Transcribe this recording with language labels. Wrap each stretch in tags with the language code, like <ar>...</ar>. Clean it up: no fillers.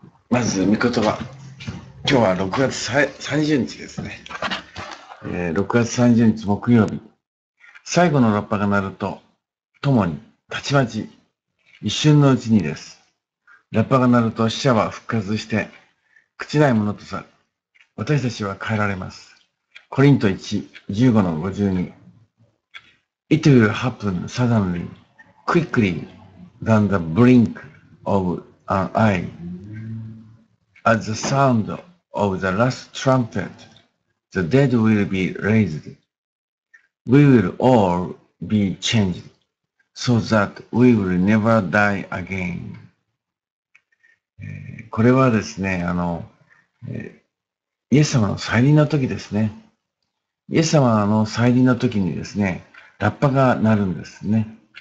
<ja>まず御言葉、今日は6月30日ですね、6月30日木曜日、最後のラッパが鳴るとともにたちまち一瞬のうちにです。ラッパが鳴ると死者は復活して、朽ちないものとさ、私たちは変えられます。コリント1:15-52。</ja> <en>It will happen suddenly, quickly than the blink of an eye, at the sound of the last trumpet, the dead will be raised. We will all be changed, so that we will never die again.</en> <ja>これはですね、イエス様の再臨の時ですね。イエス様の再臨の時にですね、ラッパが鳴るんですね。</ja>